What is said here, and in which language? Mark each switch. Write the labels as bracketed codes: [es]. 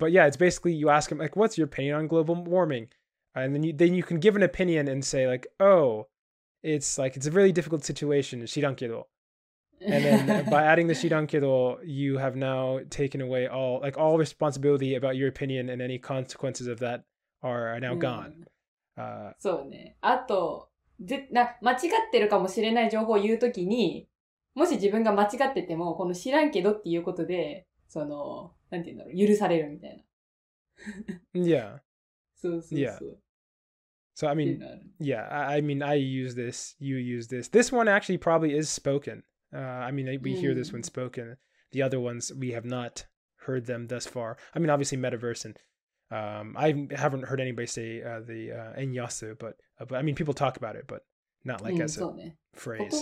[en] But yeah, it's basically you ask him, like, what's your opinion on global warming? And then you can give an opinion and say, like, oh, it's like, it's a really difficult situation, 知らんけど. And then by adding the 知らんけど, you have now taken away all, like, all responsibility about your opinion, and any consequences of that are now gone. [ja] そうね。あと、間違ってるかもしれない情報を言うときに、もし自分が間違ってても、この知らんけどっていうことで、その、なんて言うんだろう、許されるみたいな。 [en] Yeah. [ja] そうそうそう。 [en] Yeah. So, I mean, yeah, I mean, I use this, you use this. This one actually probably is spoken. I mean, we hear this one spoken. The other ones, we have not heard them thus far. I mean, obviously, metaverse and I haven't heard anybody say the enyasu, but I mean, people talk about it, but not like as a phrase.